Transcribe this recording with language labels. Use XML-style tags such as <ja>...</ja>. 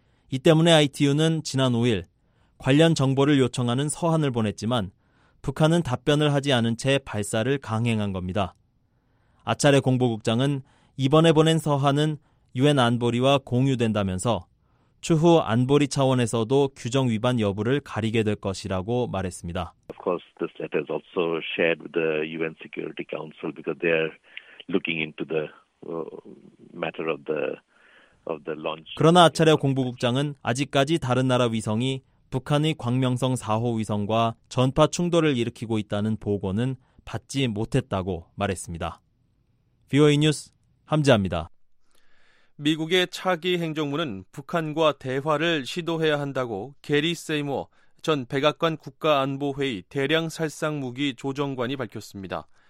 <ko>이 때문에 ITU는 지난 5일 관련 정보를 요청하는 서한을 보냈지만 북한은 답변을 하지 않은 채 발사를 강행한 겁니다. 아차레 공보국장은 이번에 보낸 서한은 유엔 안보리와 공유된다면서 추후 안보리 차원에서도 규정 위반 여부를 가리게 될 것이라고 말했습니다.</ko> <en>Of course, this letter is also shared with the UN Security Council because they are looking into the matter of the launch.</en> <ko>그러나 아차레 공보국장은 아직까지 다른 나라 위성이 북한의 광명성 4호 위성과 전파 충돌을 일으키고 있다는 보고는 받지 못했다고 말했습니다. VOA 뉴스 함지아입니다. 미국의 차기 행정부는 북한과 대화를 시도해야 한다고 게리 세이머 전 백악관 국가안보회의 대량살상무기 조정관이 밝혔습니다.</ko>